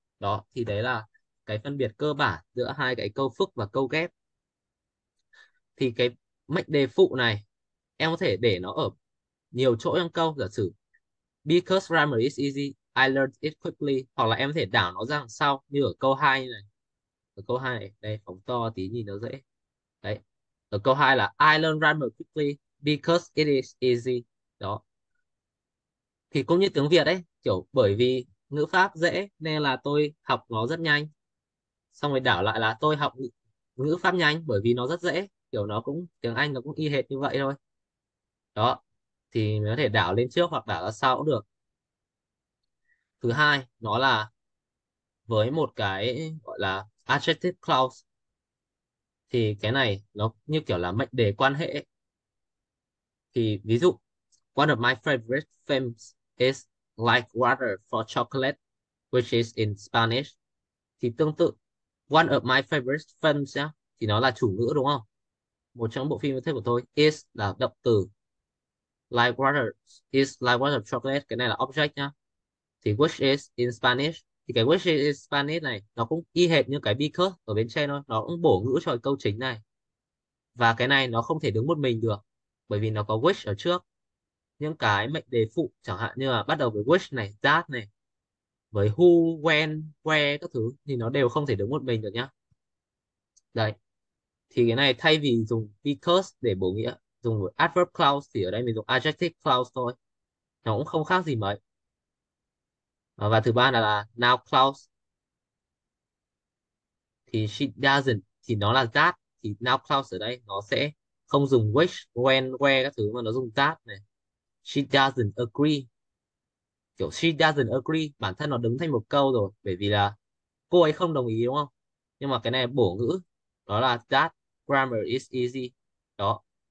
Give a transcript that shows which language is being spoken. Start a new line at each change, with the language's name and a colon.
Vietnamese: Đó, thì đấy là cái phân biệt cơ bản giữa hai cái câu phức và câu ghép. Thì cái mệnh đề phụ này em có thể để nó ở nhiều chỗ trong câu, giả sử
English: because grammar is easy, I learned it quickly,
Vietnamese: hoặc là em có thể đảo nó ra sau như ở câu 2 này. Ở câu 2 này, đây phóng to tí nhìn nó dễ. Đấy. Ở câu 2 là
English: I learned grammar quickly because it is easy.
Vietnamese: Đó. Thì cũng như tiếng Việt ấy, kiểu bởi vì ngữ pháp dễ nên là tôi học nó rất nhanh. Xong rồi đảo lại là tôi học ngữ pháp nhanh bởi vì nó rất dễ. Kiểu nó cũng, tiếng Anh nó cũng y hệt như vậy thôi. Đó. Thì mình có thể đảo lên trước hoặc đảo ra sau cũng được. Thứ hai, nó là với một cái gọi là adjective clause. Thì cái này nó như kiểu là mệnh đề quan hệ. Thì ví dụ,
English: one of my favorite films is like water for chocolate, which is in Spanish.
Vietnamese: Thì tương tự,
English: one of my favorite films yeah,
Vietnamese: thì nó là chủ ngữ đúng không? Một trong bộ phim yêu thích của tôi, is là động từ. Like water is like water chocolate, cái này là object nhá. Thì
English: which is in Spanish,
Vietnamese: thì cái which is in Spanish này nó cũng y hệt như cái because ở bên trên thôi, nó cũng bổ ngữ cho câu chính này. Và cái này nó không thể đứng một mình được bởi vì nó có which ở trước. Những cái mệnh đề phụ chẳng hạn như là bắt đầu với which này, that này, với who, when, where các thứ thì nó đều không thể đứng một mình được nhá. Đây. Thì cái này thay vì dùng because để bổ nghĩa, dùng một adverb clause thì ở đây mình dùng adjective clause thôi. Nó cũng không khác gì mấy. Và thứ ba là now clause. Thì she doesn't, thì nó là that. Thì now clause ở đây nó sẽ không dùng which, when, where các thứ mà nó dùng that này.
English: She doesn't agree.
Vietnamese: Kiểu she doesn't agree bản thân nó đứng thành một câu rồi bởi vì là cô ấy không đồng ý đúng không? Nhưng mà cái này bổ ngữ đó là
English: that grammar is easy.
Vietnamese: Đó.